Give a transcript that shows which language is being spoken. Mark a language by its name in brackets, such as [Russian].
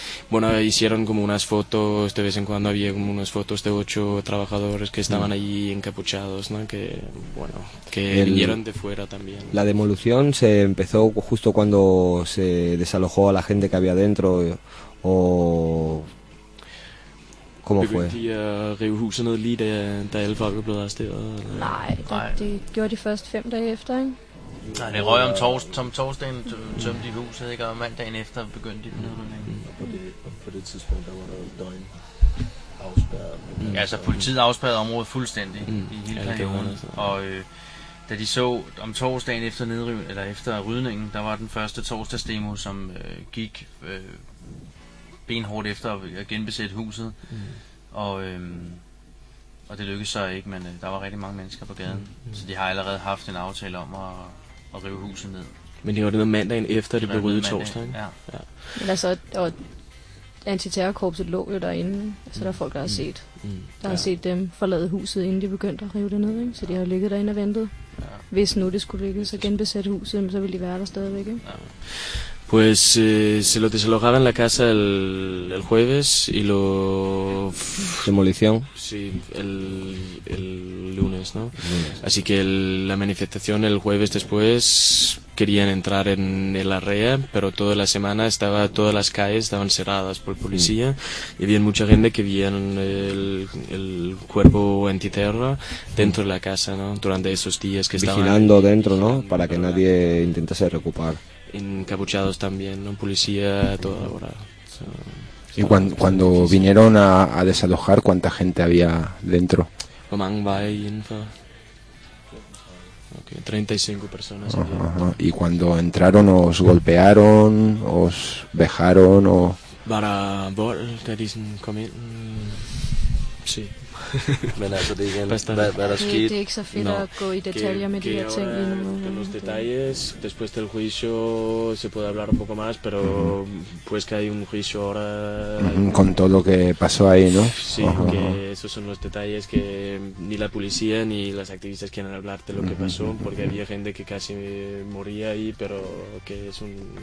[Spanish] Bueno, hicieron como unas fotos, de vez en cuando había como unas fotos de 8 trabajadores que estaban allí encapuchados, ¿no? Que, bueno, que vinieron de fuera también. La demolición se empezó justo cuando se desalojó a la gente que había dentro, o... ¿Cómo fue? [Danish] ¿Begyndte de a rive huset ned lige da alle folk blev arresteret? Nej, det gjorde de først 5 dage efter, ikke? Nej, det røg om torsdagen, tømte de huset, ikke? Og mandagen efter begyndte de den nedrivning. På det tidspunkt, der var der døgn afspærret. Ja, altså politiet afspærrede området fuldstændig i hele perioden. Og da de så om torsdagen efter nedrivningen, eller efter rydningen, der var den første torsdagsdemo, som gik benhårdt efter at genbesætte huset. Og det lykkedes så ikke, men der var rigtig mange mennesker på gaden. Så de har allerede haft en aftale om at rive huset ned. Men det var det med mandagen efter, det blev ryddet torsdag, ikke? Ja. Men altså, og antiterrorkorpset lå jo derinde, så der er folk, der har set. Der har set dem forlade huset, inden de begyndte at rive det ned, ikke? Så de har ligget derinde og ventet. Ja. Hvis nu det skulle lykkes at genbesætte huset, så ville de være der stadigvæk, ikke? Ja. [Spanish] Pues se lo desalojaba en la casa el jueves y lo... ¿Demolición? Sí, el lunes, ¿no? Así que la manifestación el jueves después querían entrar en el Arrea, pero toda la semana estaba todas las calles estaban cerradas por policía y había mucha gente que veían el cuerpo antiterra dentro de la casa, ¿no? Durante esos días que estaban... Vigilando dentro, ¿no? Para que nadie intentase recuperar. Encapuchados también, ¿no? Policía a toda hora. So, ¿y cuando vinieron a desalojar, cuánta gente había dentro? [Danish] Hvor mange var I indenfor? [Spanish] Okay, 35 personas. Uh-huh. ¿Y cuando entraron, os golpearon, os vejaron o...? [Danish] Bara vold, da de sådan kom ind. Sí. Men altså, det er igen, hvad der skete. Det er ikke så fedt at gå i detaljer med de her ting lige nu. [Spanish] Los detalles, después del juicio se puede hablar un poco más, pero pues que hay un juicio ahora... Con todo lo que pasó ahí, ¿no? Sí, que esos son los detalles que ni la policía ni las activistas quieren hablar de lo que pasó, porque había gente que casi moría ahí, pero que es un...